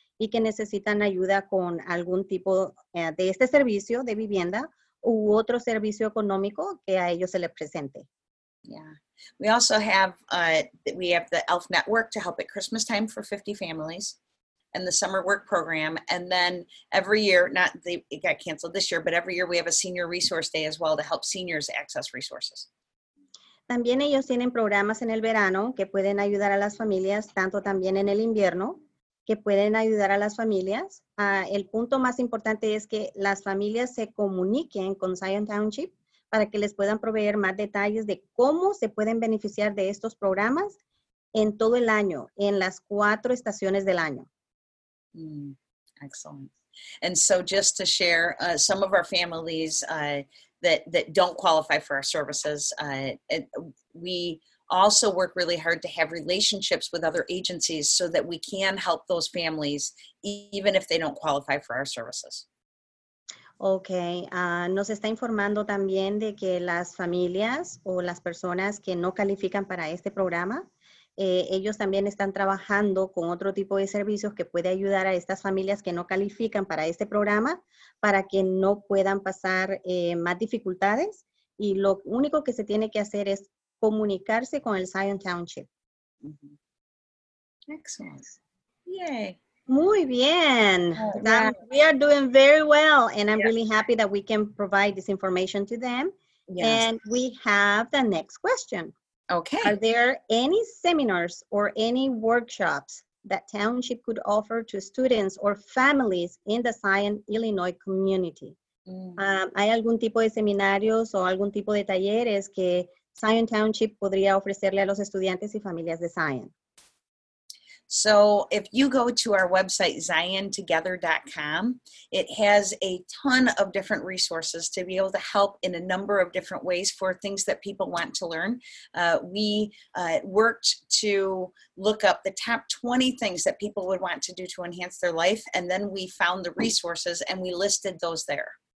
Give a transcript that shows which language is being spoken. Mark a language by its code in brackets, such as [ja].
[es] Y que necesitan ayuda con algún tipo de este servicio de vivienda u otro servicio económico que a ellos se les presente. [en] Yeah. We also have the ELF Network to help at Christmas time for 50 families and the summer work program. And then every year, it got canceled this year, but every year we have a senior resource day as well to help seniors access resources. [es] También ellos tienen programas en el verano que pueden ayudar a las familias, tanto también en el invierno. Que pueden ayudar a las familias. El punto más importante es que las familias se comuniquen con Zion Township para que les puedan proveer más detalles de cómo se pueden beneficiar de estos programas en todo el año, en las cuatro estaciones del año. [en] Excellent. And so just to share, some of our families that don't qualify for our services, we also work really hard to have relationships with other agencies so that we can help those families even if they don't qualify for our services. [es] Okay, nos está informando también de que las familias o las personas que no califican para este programa, ellos también están trabajando con otro tipo de servicios que puede ayudar a estas familias que no califican para este programa para que no puedan pasar más dificultades. Y lo único que se tiene que hacer es comunicarse con el Zion Township. [en] Excellent. Yay. [es] Muy bien. [en] We are doing very well, and I'm really happy that we can provide this information to them. Yes. And we have the next question. Okay. Are there any seminars or any workshops that Township could offer to students or families in the Zion, Illinois community? [es] ¿Hay algún tipo de seminarios o algún tipo de talleres que Zion Township podría ofrecerle a los estudiantes y familias de Zion? [en] So if you go to our website, ZionTogether.com, it has a ton of different resources to be able to help in a number of different ways for things that people want to learn. We worked to look up the top 20 things that people would want to do to enhance their life, and then we found the resources and we listed those there.